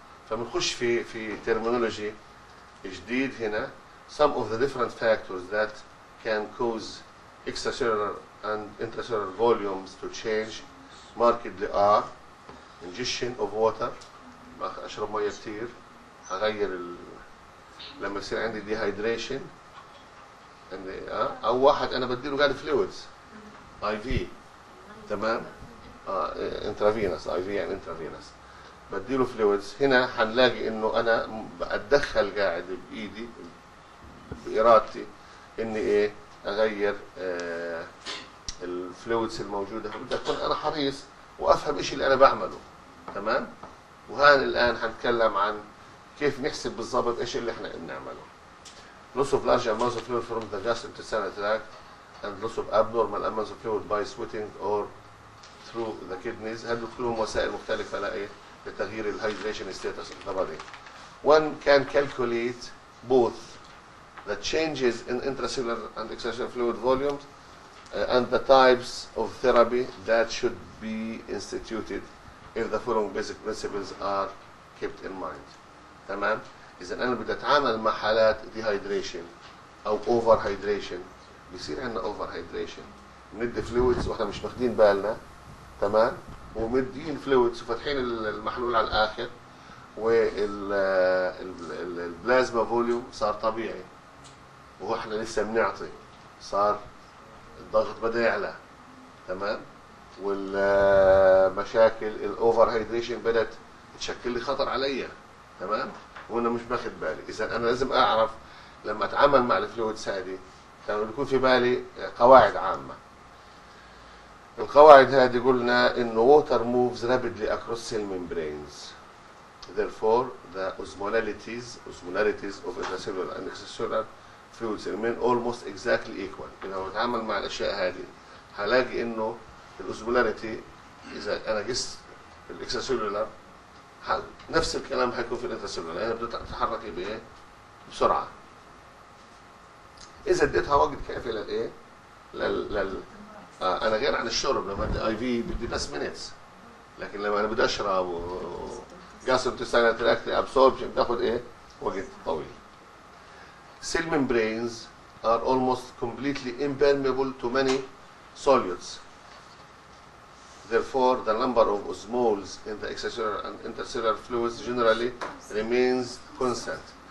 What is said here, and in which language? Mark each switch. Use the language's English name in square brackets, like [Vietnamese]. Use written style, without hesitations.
[Arabic] فبنخش في ترمينولوجي جديد هنا. [English] Some of the different factors that can cause extracellular and intracellular volumes to change markedly are ingestion of water. [Arabic] اشرب ميه كثير اغير لما يصير عندي dehydration. او واحد انا بديله قاعد فلويدز اي في. تمام. انترافينس اي في يعني انترافينس، بديله فلويدز. هنا حنلاقي انه انا اتدخل قاعد بايدي بارادتي اني ايه اغير الفلويدز الموجوده. بدي اكون انا حريص وافهم ايش اللي انا بعمله. تمام. وهان الان حنتكلم عن كيف نحسب بالضبط ايش اللي احنا بنعمله. [English] loss of large amounts of fluid from the gastrointestinal tract and loss of abnormal amounts of fluid by sweating or through the kidneys. [Arabic] هذه كلهم وسائل مختلفه لايه؟ لتغيير الهايدريشن ستاتس اوف ذا بادي. [English] One can calculate both the changes in intracellular and extracellular fluid volumes and the types of therapy that should be instituted if the following basic principles are kept in mind. [Arabic] تمام؟ إذا أنا بدي أتعامل مع حالات dehydration أو over hydration، بيصير عندنا over hydration، بندي فلويدز وإحنا مش ماخدين بالنا. تمام؟ ومدين فلويدز وفاتحين المحلول على الآخر والبلازما فوليوم صار طبيعي وإحنا لسه بنعطي، صار الضغط بدأ يعلى. تمام؟ والمشاكل الأوفر هيدريشن بدأت تشكل لي خطر عليا. تمام؟ وانا مش باخذ بالي. اذا انا لازم اعرف لما اتعامل مع الفلويدز هذه يكون في بالي قواعد عامه. القواعد هذه قلنا انه [English] water moves rapidly across cell membranes. Therefore the osmolarities of intracellular and extracellular fluids remain almost exactly equal. [Arabic] إذا اتعامل مع الاشياء هذه هلاقي انه الاوزمولاريتي اذا انا قست الاكستراسيلولار حل. نفس الكلام حيكون في الانترسيلولار لانها بدها تتحرك بسرعه. اذا اديتها وقت كافي انا غير عن الشرب لما بدي اي في بدي بس مينتس، لكن لما انا بدي اشرب وقاسم تسالت تراكت ابسوربشن بتاخذ وقت طويل. [English] Cell membranes are almost completely impermeable to many solutes. Therefore, the number of osmoles in the extracellular and intercellular fluids generally remains constant.